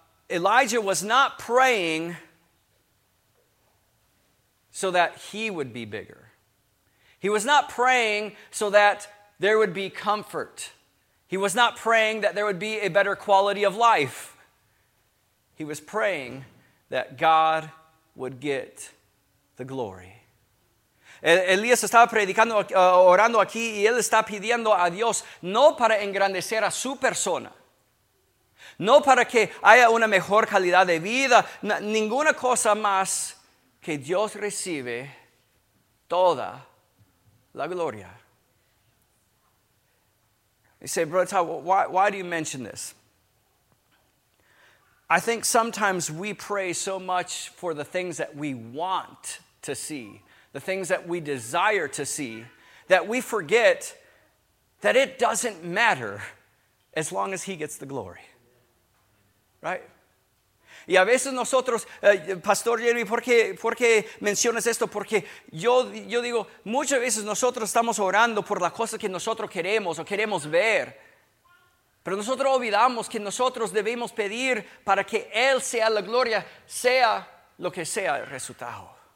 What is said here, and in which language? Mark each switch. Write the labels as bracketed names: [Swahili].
[English] Elijah was not praying so that he would be bigger. He was not praying so that there would be comfort. He was not praying that there would be a better quality of life. He was praying that God would get the glory. [Spanish] Elías estaba predicando, orando aquí, y él está pidiendo a Dios no para engrandecer a su persona, no para que haya una mejor calidad de vida, ninguna cosa más que Dios recibe toda la gloria. [English] You say, Brother Todd, why do you mention this? I think sometimes we pray so much for the things that we want to see, the things that we desire to see, that we forget that it doesn't matter as long as he gets the glory. Right? [Spanish] Y a veces nosotros, Pastor Jeremy, ¿por qué mencionas esto? Porque yo digo, muchas veces nosotros estamos orando por las cosas que nosotros queremos o queremos ver. Pero nosotros olvidamos que nosotros debemos pedir para que Él sea la gloria, sea lo que sea el resultado.